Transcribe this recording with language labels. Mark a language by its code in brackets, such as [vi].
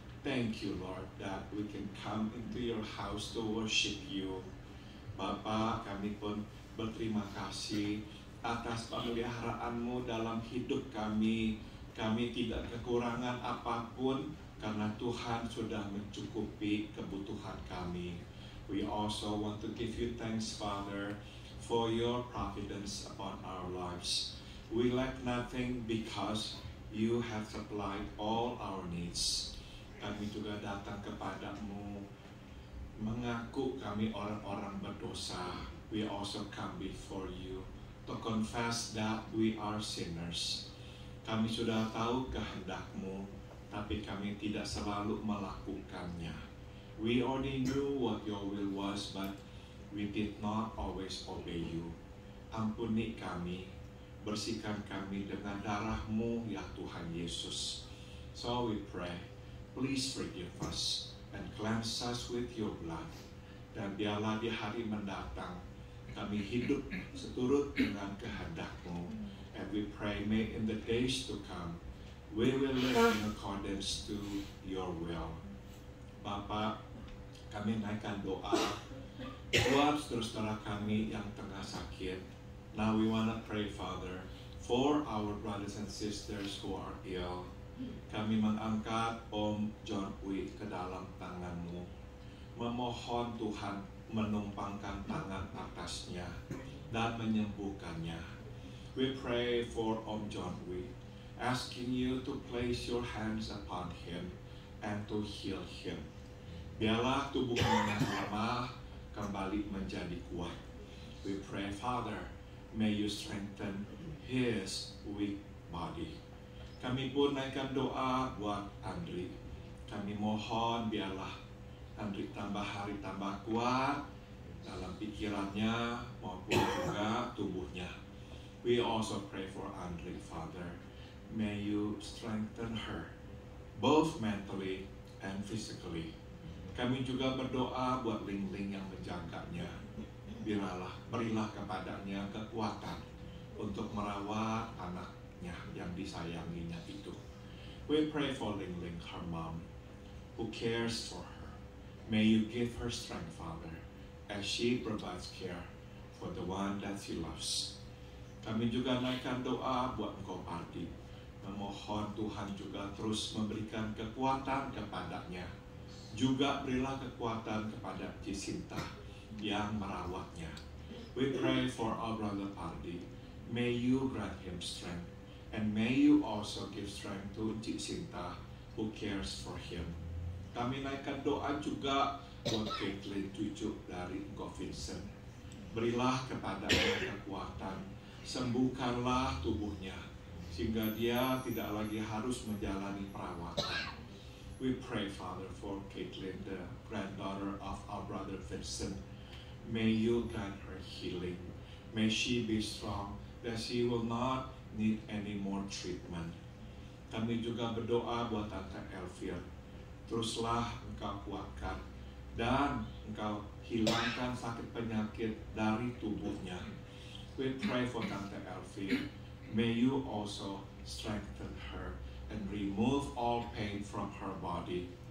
[en] Thank you Lord that we can come into your house to worship you. [id] Bapa, kami pun berterima kasih atas pemeliharaanmu dalam hidup kami. Kami tidak kekurangan apapun karena Tuhan sudah mencukupi kebutuhan kami. [en] We also want to give you thanks Father for your providence upon our lives. We lack nothing because you have supplied all our needs. [id] Kami juga datang kepadamu mengaku kami orang-orang berdosa. [en] We also come before you to confess that we are sinners. [id] Kami sudah tahu kehendakmu, tapi kami tidak selalu melakukannya. [en] We already knew what your will was, but we did not always obey you. [id] Ampuni kami, bersihkan kami dengan darah-Mu, ya Tuhan Yesus. [en] So we pray, please forgive us and cleanse us with your blood. [id] Dan biarlah di hari mendatang, kami hidup seturut dengan kehendak-Mu. [en] And we pray, may in the days to come, we will live in accordance to your will. [id] Bapa, kami naikkan doa buat saudara kami yang tengah sakit. [en] Now we want to pray, Father, for our brothers and sisters who are ill. [id] Kami mengangkat Om John Wick ke dalam tangan-Mu. Memohon Tuhan menumpangkan tangan atasnya dan menyembuhkannya. [en] We pray for Om John Wee, asking you to place your hands upon him and to heal him. [id] Biarlah tubuhnya yang lemah kembali menjadi kuat. [en] We pray, Father, may you strengthen his weak body. [id] Kami pun naikkan doa buat Andri. Kami mohon biarlah Andri tambah hari tambah kuat dalam pikirannya maupun juga tubuhnya. [en] We also pray for Andri, Father. May you strengthen her, both mentally and physically. [id] Kami juga berdoa buat Ling-Ling yang menjangkanya. Berilah kepadanya kekuatan untuk merawat anaknya yang disayanginya itu. [en] We pray for Ling-Ling, her mom, who cares for her. May you give her strength, Father, as she provides care for the one that she loves. [id] Kami juga naikkan doa buat Engkau, Pati. Memohon Tuhan juga terus memberikan kekuatan kepadanya. Juga berilah kekuatan kepada Jacinta yang merawatnya. [en] We pray for our brother Pardi. May you grant him strength. And may you also give strength to Jacinta who cares for him. [id] Kami naikkan doa juga buat Caitlin, cucu dari Ngo Vincent. Berilah kepadanya kekuatan. Sembuhkanlah tubuhnya, sehingga dia tidak lagi harus menjalani perawatan. [en] We pray, Father, for Caitlin, the granddaughter of our brother Vincent. May you grant her healing. May she be strong, that she will not need any more treatment. [id] Kami juga berdoa buat Tante Elvia. Teruslah Engkau kuatkan dan Engkau hilangkan sakit penyakit dari tubuhnya. [en] We pray for Tante Elvia. May you also strengthen her and remove all pain from her body.